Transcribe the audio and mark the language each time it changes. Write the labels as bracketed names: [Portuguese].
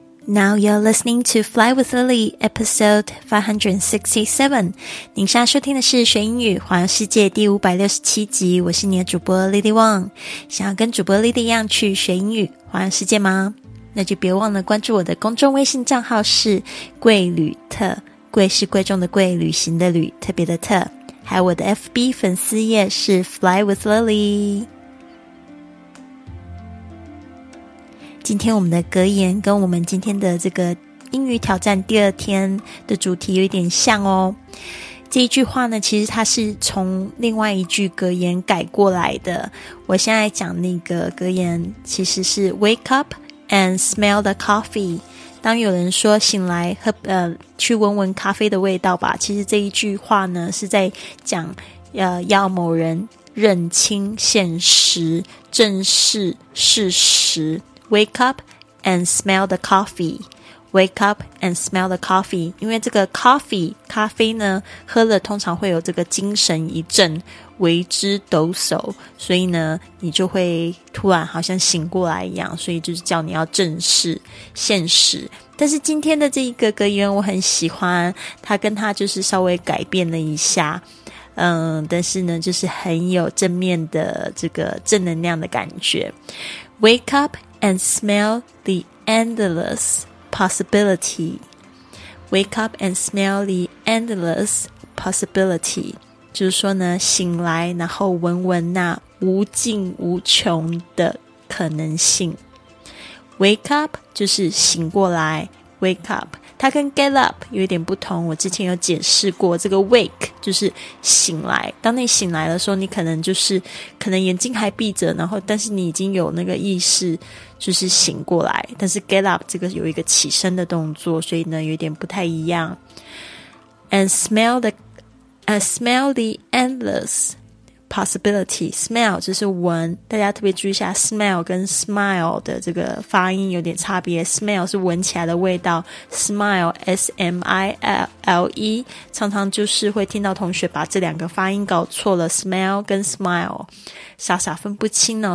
[English] Now you're listening to Fly with Lily, episode 567. [Chinese] 您现在收听的是学英语环游世界第567集，我是你的主播 Lily Wang。想要跟主播 Lily 一样去学英语环游世界吗？那就别忘了关注我的公众微信账号，是贵旅特，贵是贵重的贵，旅行的旅，特别的特。还有我的 FB 粉丝页是 Fly with Lily。今天我们的格言跟我们今天的这个英语挑战第二天的主题有点像哦。这一句话呢，其实它是从另外一句格言改过来的。我现在讲那个格言其实是 [English] Wake up and smell the coffee。 [Chinese] 当有人说醒来喝去闻闻咖啡的味道吧，其实这一句话呢是在讲要某人认清现实，正视事实。 [English] Wake up and smell the coffee. Wake up and smell the coffee. [Chinese] 因为这个 coffee, 咖啡呢，喝了通常会有这个精神一振，为之抖擞，所以呢，你就会突然好像醒过来一样，所以就是叫你要正视现实。但是今天的这一个格言我很喜欢，它跟它就是稍微改变了一下，但是呢，就是很有正面的这个正能量的感觉。 [English] Wake up and smell the endless possibility. Wake up and smell the endless possibility. [Chinese] 就是说呢，醒来然后闻闻那无尽无穷的可能性。 Wake up 就是醒过来。Wake up 它跟 get up 有点不同，我之前有解释过，这个 wake 就是醒来，当你醒来的时候，你可能就是可能眼睛还闭着，然后但是你已经有那个意识就是醒过来，但是 get up 这个有一个起身的动作，所以呢有点不太一样。 [English] And smell the endless possibility. [Chinese] Smell 就是闻，大家特别注意一下 smell 跟 smile 的这个发音有点差别。 smell 是闻起来的味道， smile S-M-I-L-E 常常就是会听到同学把这两个发音搞错了， smell 跟 smile 傻傻分不清哦。